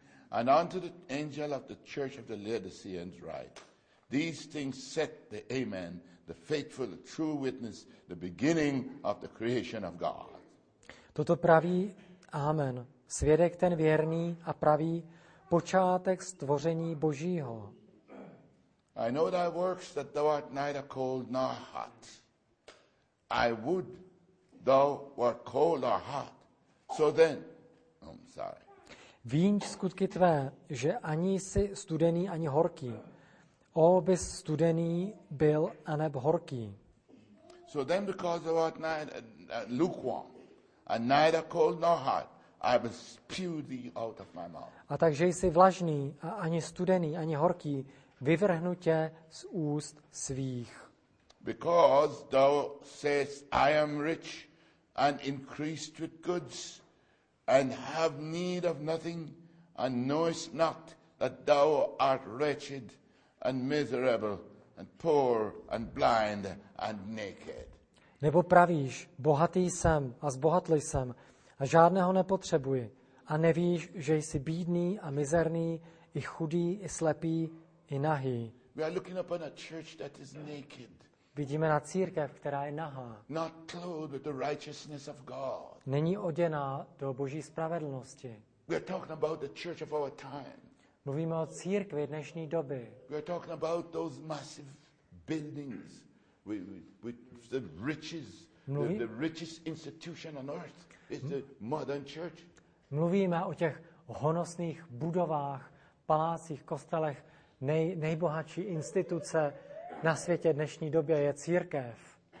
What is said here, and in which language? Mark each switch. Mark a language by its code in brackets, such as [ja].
[en] And unto the angel of the church of the Laodiceans write, these things said the Amen, the faithful, the true witness, the beginning of the creation of God. [cs] Toto praví Amen, svědek ten věrný a pravý, počátek stvoření Božího. [en] I know thy works, that thou art neither cold nor hot. I would thou wert cold or hot. So then, I'm sorry. [cs] Víň skutky tvé, že ani jsi studený, ani horký. O, bys studený byl, aneb horký. [en] So then, because thou art lukewarm, and neither cold nor hot, I will spew thee out of my mouth. [cs] A takže jsi vlažný, a ani studený, ani horký, vyvrhnu tě z úst svých. [en] Because thou sayest, I am rich and increased with goods, and have need of nothing, and knowest not that thou art wretched and miserable and poor and blind and naked. [cs] Nebo pravíš, bohatý jsem a zbohatl jsem a žádného nepotřebuji, a nevíš, že jsi bídný a mizerný, i chudý, i slepý, i nahý. [en] We are looking upon a church that is naked. [cs] Vidíme na církev, která je nahá. [en] Not clothed with the righteousness of God. [cs] Není oděná do Boží spravedlnosti. [en] We are talking about the church of our time. [cs] Mluvíme o církvi dnešní doby. [en] We are talking about those massive buildings with the riches. The richest institution on earth is the modern church. [cs] Mluvíme o těch honosných budovách, palácích, kostelech. Nejbohatší instituce na světě dnešní době je církev.